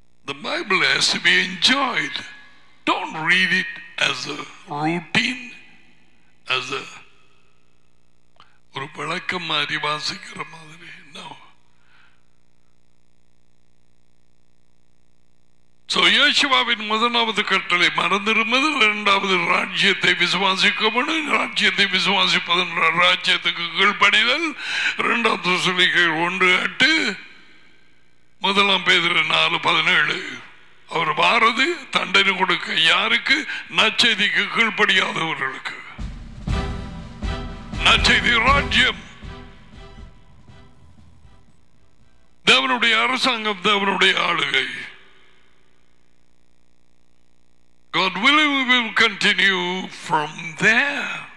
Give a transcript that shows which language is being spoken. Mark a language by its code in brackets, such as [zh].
[en] The Bible has to be enjoyed. Don't read it as a routine, as a [ta] ஒரு பழக்கம் மாதிரி வாசிக்கிற மாதிரி. சோ யோசுவாவின் முதலாவது கட்டளை மறந்திருப்பது, இரண்டாவது ராஜ்யத்தை விசுவாசிக்கப்படும், ராஜ்யத்தை விசுவாசிப்பதன் ராஜ்யத்துக்கு கீழ்படிதல், இரண்டாவது சொல்லிகள் 1:8, முதலாம் பேதுரு 4:17. அவர் வாரது தண்டனை கொடுக்க யாருக்கு? நற்செய்திக்கு கீழ்படியாதவர்களுக்கு. நற்செய்தி ராஜ்யம், தேவனுடைய அரசாங்கம், தேவனுடைய ஆளுகை. [en] God willing, we will continue from there.